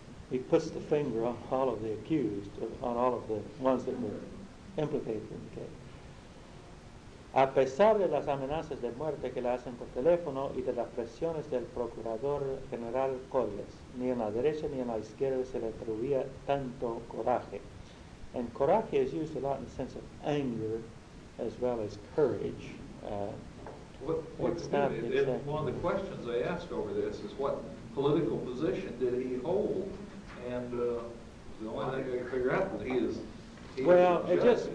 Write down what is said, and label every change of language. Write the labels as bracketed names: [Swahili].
[English] He puts the finger on all of the accused, on all of the ones that were implicated in the case. [Spanish] A pesar de las amenazas de muerte que le hacen por teléfono y de las presiones del procurador general Collins, ni en la derecha ni en la izquierda se le atribuía tanto coraje. [English] And coraje is used a lot in the sense of anger as well as courage. One of the questions I ask over this is what political position did he hold? And the only thing I can figure out that